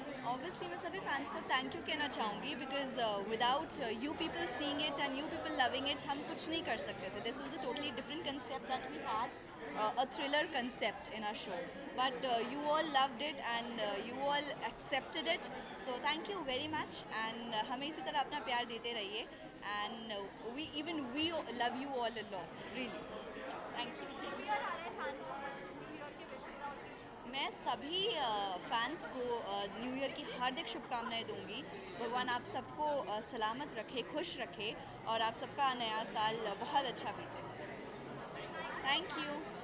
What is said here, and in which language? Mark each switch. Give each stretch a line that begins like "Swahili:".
English: obviously
Hindi: मैं सभी fans को thank you कहना चाहूँगी
English: because without you people seeing it and you people loving it
Hindi: हम कुछ नहीं कर सकते थे.
English: This was a totally different concept that we had. A thriller concept in our show, but you all loved it and you all accepted it. So thank you very much, and
Hindi: हमें इसी तरह अपना प्यार देते रहिए.
English: And we love you all a lot, really. Thank you.
Hindi: मैं सभी fans को न्यू ईयर की हार्दिक शुभकामनाएं दूंगी. भगवान आप सबको सलामत रखे, खुश रखे, और आप सबका नया साल बहुत अच्छा बीते. Thank you.